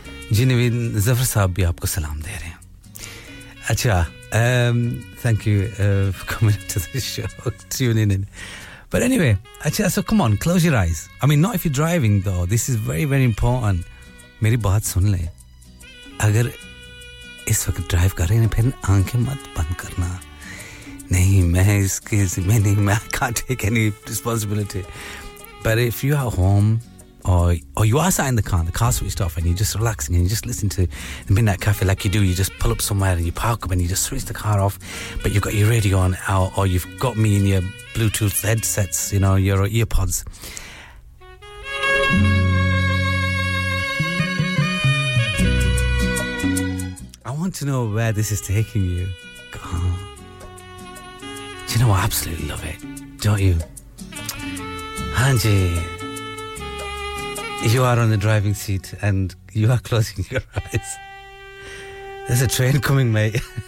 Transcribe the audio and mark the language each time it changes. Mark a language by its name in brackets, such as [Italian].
[Hindi] Jee Naveed, Zafar sahab bhi aapko salam de rahe hain. [English] Acha, thank you for coming to the show, tuning in. But anyway, acha, so come on, close your eyes. I mean, not if you're driving though. This is very, very important. [Hindi] Meri baat sun le. Agar इस वक्त drive कर रहे हैं फिर आंखें मत बंद करना नहीं मैं इसके जिम्मे नहीं मैं [English] Can't take any responsibility but if you are home or you are sign the car switched off and you just relaxing and you just listen to midnight cafe like you do you just pull up somewhere and you park and you just switch the car off but you got your radio on और you got me in your Bluetooth headsets you know your earpods to know where this is taking you. God. Do you know what? I absolutely love it. Don't you? Hanji, you are on the driving seat and you are closing your eyes. There's a train coming, mate.